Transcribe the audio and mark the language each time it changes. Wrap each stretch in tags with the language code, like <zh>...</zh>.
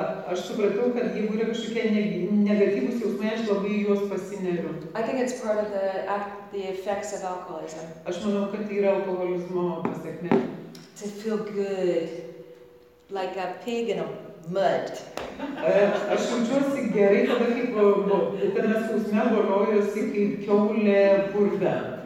<lt>Aš supratau, kad jeigu yra kažkokie negatyvus jausmai, aš labai juos pasineriu.</lt> <en>I think it's part of the effects of alcoholism.</en> <lt>Aš manau, kad tai yra alkoholizmo pasekmė.</lt> <en>To feel good, like a pig in a mud.</en> <lt>Aš jaučiuosi gerai, tada kaip, kad mes jausme borojosi kaip kiaulė purve.</lt>